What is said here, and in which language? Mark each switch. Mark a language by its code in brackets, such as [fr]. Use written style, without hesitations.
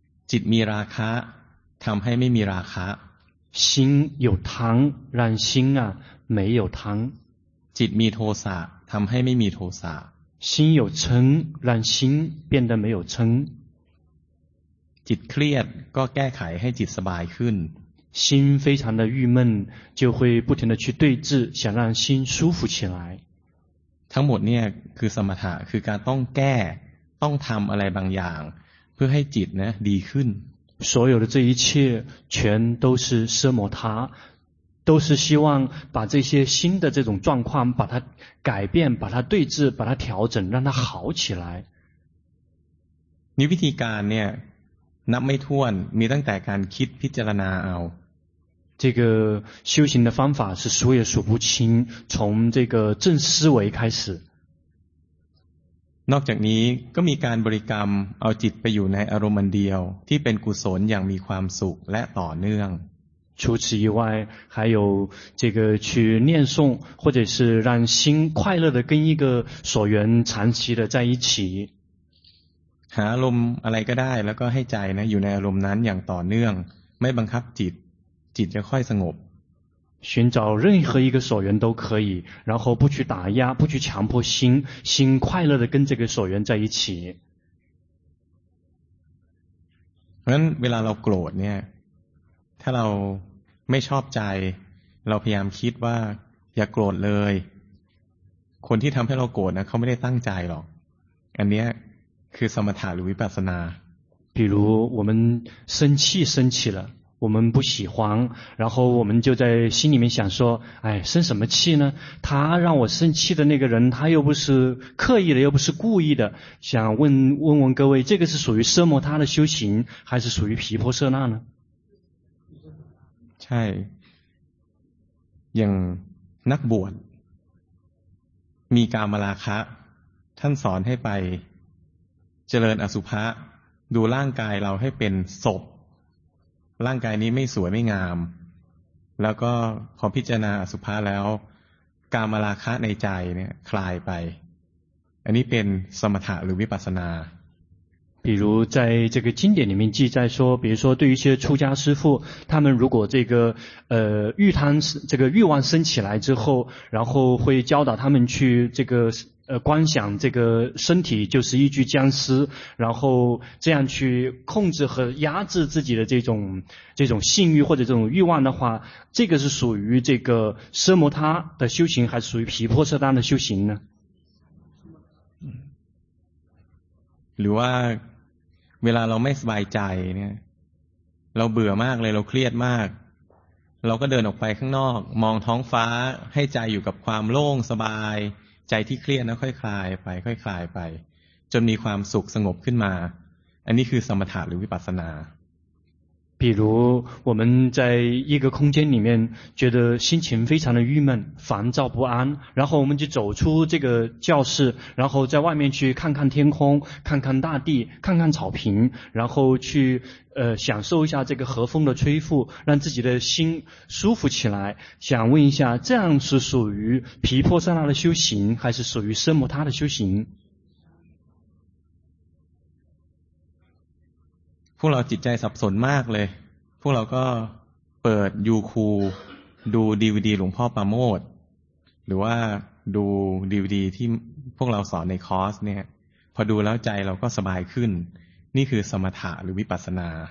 [th] จิตมีราคะทำให้ไม่มีราคะ [zh] 心有贪让心啊没有贪 [th] จิตมีโทสะทำให้ไม่มีโทสะ [zh] 心有嗔让心变得没有嗔 [th] จิตเครียดก็แก้ไขให้จิตสบายขึ้น [zh] 心非常的郁闷就会不停的去对治想让心舒服起来 [th] ทั้งหมดเนี่ยคือสมถะคือการต้องแก้ต้องทำอะไรบางอย่างเพื่อให้จิตนะดีขึ้น [zh] 所有的这一切全都是奢摩他都是希望把这些新的这种状况把它改变把它对治把它调整让它好起来你 [th] วิธีการเนี่ยนับไม่ถ้วนมีตั้งแต่การคิดพิจารณาเอา [zh] 这个修行的方法是数也数不清从这个正思维开始 [th] นอกจากนี้ก็มีการบริกรรมเอาจิตไปอยู่ในอารมณ์เดียวที่เป็นกุศลอย่างมีความสุขและต่อเนื่อง [zh] 除此以外还有这个去念诵或者是让心快乐的跟一个所缘长期的在一起 [th] หาอารมณ์อะไรก็ได้แล้วก็ให้ใจนะอยู่ในอารมณ์นั้นอย่างต่อเนื่องไม่บังคับจิตจิตจะค่อยสงบ [zh] 寻找任何一个所缘都可以然后不去打压不去强迫心心快乐的跟这个所缘在一起 [th] เพราะฉะนั้นเวลาเราโกรธเนี่ยถ้าเราไม่ชอบใจเราพยายามคิดว่าอย่าโกรธเลยคนที่ทำให้เราโกรธนะเขาไม่ได้ตั้งใจหรอกอันนี้ คือสมถะหรือวิปัสสนา [zh] 比如我们生气生气了我们不喜欢然后我们就在心里面想说哎生什么气呢他让我生气的那个人他又不是刻意的又不是故意的想问问问各位这个是属于奢摩他的修行还是属于毗婆舍那呢 [th] ใช่อย่างนักบวชมีกามราคะท่านสอนให้ไปเจริญอสุภะดูร่างกายเราให้เป็นศพร่างกายนี้ไม่สวยไม่งามแล้วก็พอพิจารณาอสุภะแล้วกามราคะในใจเนี่ยคลายไปอันนี้เป็นสมถะหรือวิปัสสนา [zh] 比如在这个经典里面记载说比如说对于一些出家师父他们如果这个欲贪这个欲望升起来之后然后会教导他们去这个观想这个身体就是一具僵尸然后这样去控制和压制自己的这种性欲或者这种欲望的话这个是属于这个奢摩他的修行还是属于毗婆舍那的修行呢 [th] หรือว่าเวลาเราไม่สบายใจเนี่ยเราเบื่อมากเลยเราเครียดมากเราก็เดินออกไปข้างนอกมองท้องฟ้าให้ใจอยู่กับความโล่งสบายใจที่เครียดนะค่อยคลายไปค่อยคลายไปจนมีความสุขสงบขึ้นมาอันนี้คือสมถะหรือวิปัสสนา [zh] 比如我们在一个空间里面觉得心情非常的郁闷烦躁不安然后我们就走出这个教室然后在外面去看看天空看看大地看看草坪然后去享受一下这个和风的吹拂让自己的心舒服起来想问一下这样是属于毗婆舍那的修行还是属于奢摩他的修行 [th] พวกเราจิตใจสับสนมากเลยพวกเราก็เปิดยูคูดูดีวีดีหลวงพ่อประโมทหรือว่าดูดีวีดีที่พวกเราสอนในคอร์สเนี่ยพอดูแล้วใจเราก็สบายขึ้นนี่คือสมถะหรือวิปัสสนา